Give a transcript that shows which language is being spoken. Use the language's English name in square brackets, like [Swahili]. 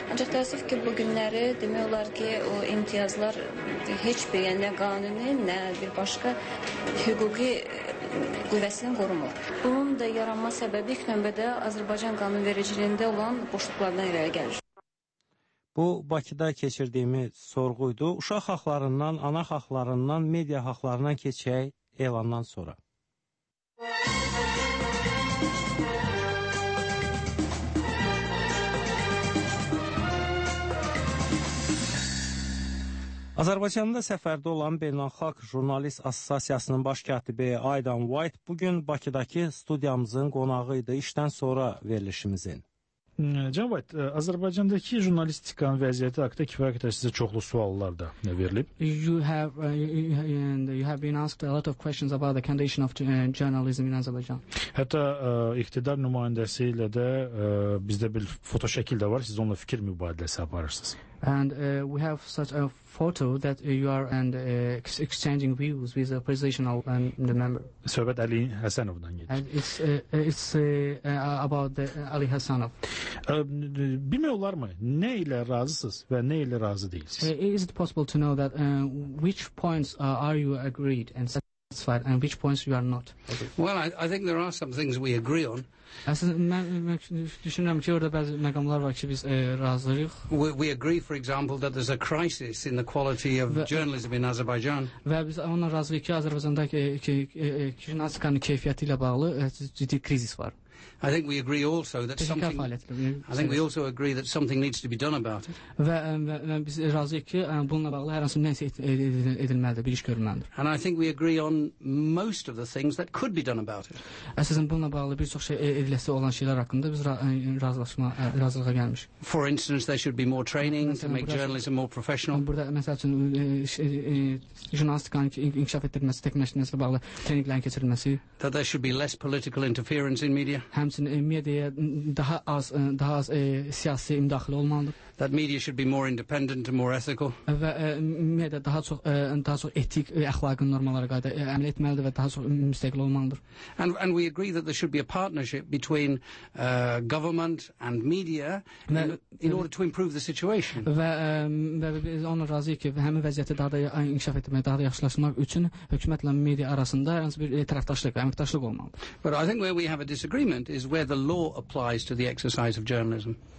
[Azerbaijani] Ancaq təəssüf ki, bu günləri demək olar ki, o imtiyazlar heç bir, yəni nə qanuni, nə bir başqa hüquqi qüvvəsini qorumur. Bunun da yaranma səbəbi ilk növbədə Azərbaycan qanunvericiliyində olan boşluqlardan irəli gəlir. Bu, Bakıda keçirdiyimiz sorğuydu. Uşaq haqlarından, ana haqlarından, media haqlarına keçək elandan sonra. Azərbaycanda səfərdə olan Beynəlxalq Jurnalist Assosiasiyasının baş katibi Aidan White bugün Bakıdakı studiyamızın qonağı idi işdən sonra verilişimizin. Can White, Azərbaycandakı jurnalistikanın vəziyyəti haqqında kifayət qədər sizə çoxlu suallar da verilib. [English] You have been asked a lot of questions about the condition of journalism in Azerbaijan. [Azerbaijani] Hətta iqtidar nümayəndəsi ilə də bizdə bir foto şəkil də var, siz onunla fikir mübadiləsi aparırsınız. [English] And we have such a photo that you are and exchanging views with a presidential and the member. [Azerbaijani] Söhbət Ali Hasanovdan gedir. [English] And it's about the Ali Hasanov. [Azerbaijani] Bilmək olar mı? Nə ilə razısınız və nə ilə razı deyilsiniz? [English] Is it possible to know that which points are you agreed and satisfied and which points you are not? Well, I think there are some things we agree on. We agree, for example, that there's a crisis in the quality of journalism in Azerbaijan. I think we also agree that something needs to be done about it. And I think we agree on most of the things that could be done about it. For instance, there should be more training to make journalism more professional. [Azerbaijani] Burada məsəl üçün jurnalistikanın inkişaf etdirilməsi, təkmilləşdirilməsi ilə bağlı treninglərin keçirilməsi. [English] That there should be less political interference in media. [Azerbaijani] Həmçinin mediaya daha az siyasi müdaxilə olmalıdır. [English] That media should be more independent and more ethical. [Azerbaijani] Və media daha çox etik əxlaqi normalara qayda əməl etməlidir və daha çox müstəqil olmalıdır. [English] And we agree that there should be a partnership between government and media in order to improve the situation. [Azerbaijani] Biz onu razıyıq ki, həmin vəziyyəti daha da inkişaf etdirmək, daha da yaxşılaşdırmaq üçün hökumətlə media arasında hər hansı bir tərəfdaşlıq, əməkdaşlıq olmalıdır. [English] But I think where we have a disagreement is where the law applies to the exercise of journalism.